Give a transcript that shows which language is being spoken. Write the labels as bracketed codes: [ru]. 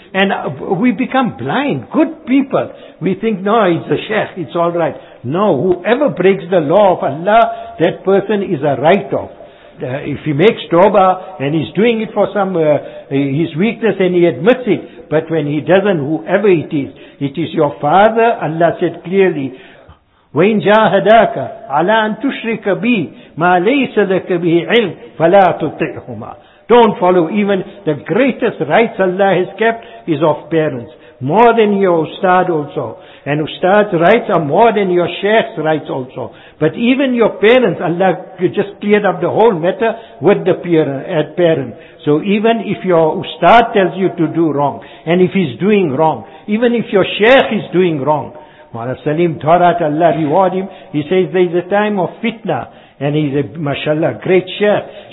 [en] And we become blind, good people. We think, no, it's a sheikh, it's all right. No, whoever breaks the law of Allah, that person is a write-off. If he makes tawbah and he's doing it for some his weakness and he admits it, but when he doesn't, whoever it is your father. Allah said clearly, [ar] وَإِنْ جَاهَدَاكَ عَلَىٰ أَن تُشْرِكَ بِي مَا لَيْسَ لَكَ بِهِ عِلْمٍ فَلَا تُطِعْهُمَا. [en] Don't follow. Even the greatest rights Allah has kept is of parents, more than your ustad also. And ustad's rights are more than your sheikh's rights also. But even your parents, Allah just cleared up the whole matter with the parent. So even if your ustad tells you to do wrong, and if he's doing wrong, even if your sheikh is doing wrong, Mawlana Salim Dhorat, Allah reward him, he says there is a time of fitna, and he's a mashallah, great sheikh.